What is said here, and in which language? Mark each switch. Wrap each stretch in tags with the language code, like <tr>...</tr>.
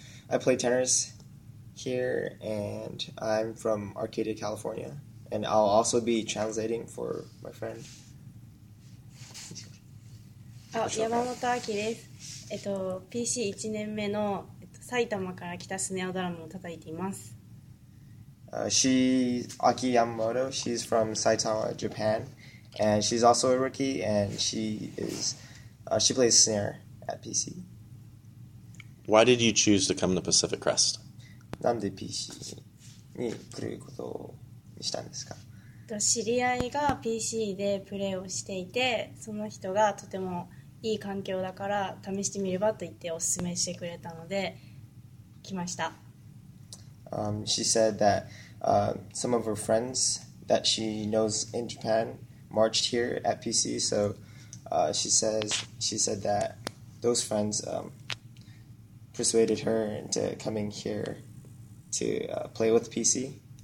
<en>I play tenors here, and I'm from Arcadia, California. And I'll also be translating for my friend.</en> <ja>Aki Yamamoto desu. PC 1 年目の埼玉から来たスネアドラムを叩いています。</ja> <en>She's Aki Yamamoto. She's from Saitama, Japan, and she's also a rookie. And she is she plays snare at PC. Why did you choose to come to Pacific Crest?</en> <ja>なんで PC に来ることにしたんですか？知り合いが PC でプレーをしていて、その人がとてもいい環境だから試してみればと言っておすすめしてくれたので来ました。</ja> <en>She said that some of her friends that she knows in Japan marched here at PC, so she said that those friends persuaded her into coming here to play with PC.</en>